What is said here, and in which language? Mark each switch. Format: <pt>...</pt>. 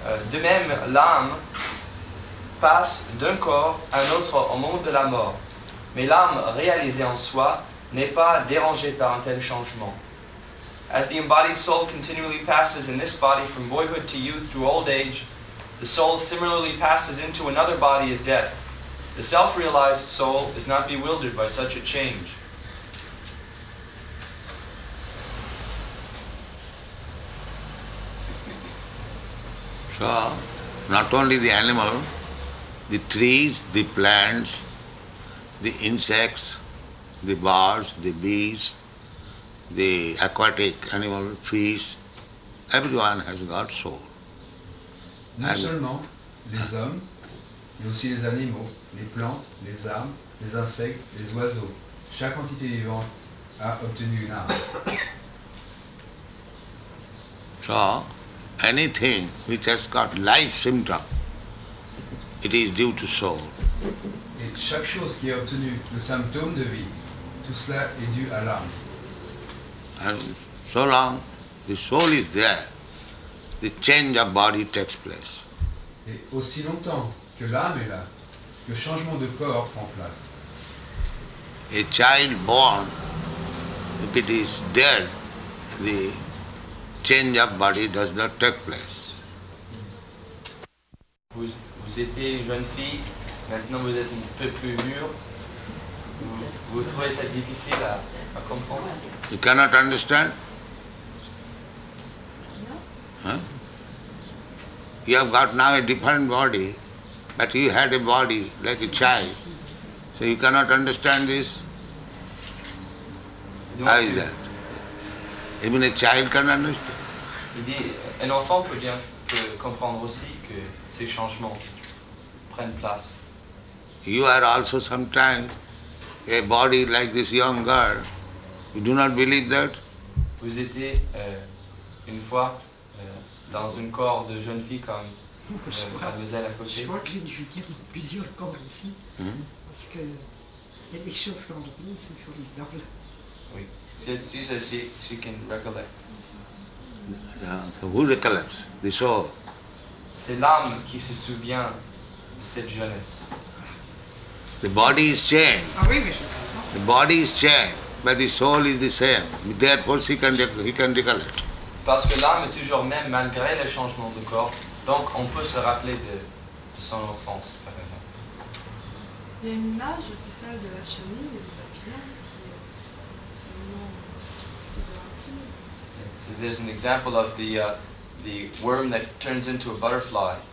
<fr>De même, l'âme passe d'un corps à un autre au moment de la mort. Mais l'âme réalisée en soi n'est pas dérangée par un tel changement.</fr> <en>As the embodied soul continually passes in this body from boyhood to youth through old age, the soul similarly passes into another body at death. The self-realized soul is not bewildered by such a change. So, not only the animal, the trees, the plants, the insects, the birds, the bees, the aquatic animal, fish, everyone has got soul.</en> <fr>Non and seulement les hommes, mais aussi les animaux, les plantes, les arbres, les insectes, les oiseaux. Chaque entité vivante a obtenu une âme.</fr> <en>So, anything which has got life symptom, it is due to soul.</en> <fr>Et chaque chose qui a obtenu le symptôme de vie, tout cela est dû à l'âme.</fr> <en>And so long the soul is there, the change of body takes place.</en> <fr>Et aussi longtemps que l'âme est là, le changement de corps prend place.</fr> <en>A child born, if it is dead, the change of body does not take place.</en> <fr>Vous étiez une jeune fille, maintenant vous êtes un peu plus mûre. Vous trouvez ça difficile à comprendre?</fr> <en>You cannot understand? You have got now a different body, but you had a body like a child. So you cannot understand this? How is that? Even a child can understand.</en> <fr>Il dit, un enfant peut bien comprendre aussi que ces changements prennent place.</fr> <en>You are also sometimes a body like this young girl. You do not believe that?</en> <fr>Vous étiez une fois dans un corps de jeune fille comme mademoiselle à côté. Je crois que j'ai dû dire plusieurs corps aussi. Parce que il y a des choses qu'on dit, c'est formidable.</fr> <en>Oui. She can recollect. So who recollects? The soul.</en> <fr>C'est l'âme qui se souvient de cette jeunesse.</fr> <en>The body is changed.</en> <fr>Ah oui, mais je...</fr> <en>The body is changed, but the soul is the same. Therefore, he can recall it.</en> <fr>Parce que l'âme est toujours même malgré le changement de corps, donc on peut se rappeler de son enfance, par exemple. Il y a une image, c'est celle de la chenille.</fr> <en>So there's an example of the worm that turns into a butterfly.</en>